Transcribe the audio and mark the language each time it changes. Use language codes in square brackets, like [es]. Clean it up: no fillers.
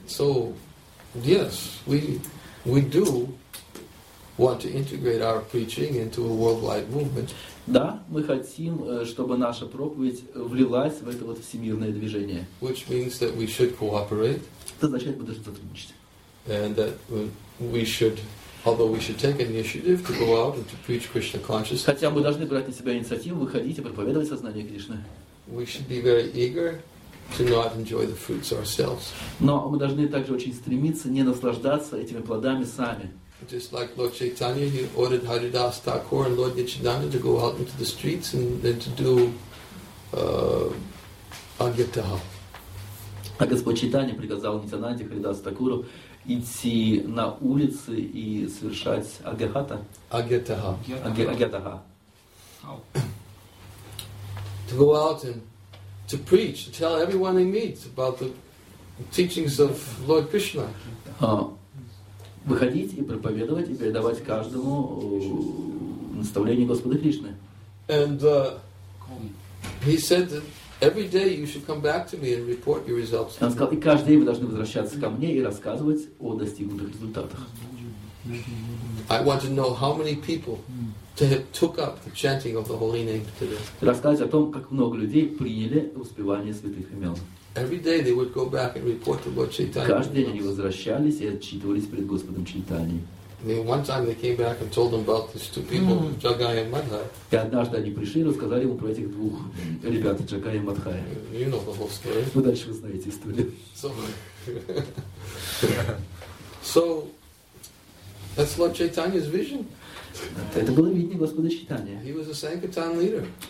[en] So, yes, we do want to integrate our preaching into a worldwide movement. [ru] Да, мы хотим, чтобы наша проповедь влилась в это вот всемирное движение. [en] Which means that we should cooperate. [ru] Это означает, мы должны сотрудничать. [en] And that we should, although we should take initiative to go out and to preach Krishna consciousness. [ru] Хотя мы должны брать на себя инициативу, выходить и проповедовать сознание Кришны. [en] We should be very eager to not enjoy the fruits ourselves. [ru] Но мы должны также очень стремиться не наслаждаться этими плодами сами. [en] Just like Lord Chaitanya, he ordered Haridas Thakur and Lord Nityananda to go out into the streets and to do Agyatahal. [ru] А Господь Чайтанья приказал Нитянанде, Харидасу Такуру идти на улицы и совершать агьятаха. Агьятаха. Агьятаха. [en] To go out and to preach, to tell everyone he meets about the teachings of Lord Krishna. [ru] Выходить и проповедовать и передавать каждому наставление Господа Кришны. [en] And he said that every day you should come back to me and report your results. [ru] Он сказал, и каждый день вы должны возвращаться ко мне и рассказывать о достигнутых результатах. [en] I want to know how many people took up the chanting of the holy name today. [ru] Рассказать о том, как много людей приняли успевание святых имен. [en] Every day they would go back and report to Lord Chaitanya. [ru] Каждый день они возвращались и отчитывались перед Господом Чайтаньей. [en] One time they came back and told them about these two people, Jagai and Madhai. [ru] И однажды они пришли и рассказали ему про этих двух ребят, Джагай и Мадхай. [en] You know the whole story. [ru] Вы дальше знаете историю. [en] So that's Lord Chaitanya's vision. [ru] Это было видение Господа Чайтаньи. [en] He was a Sankirtan leader.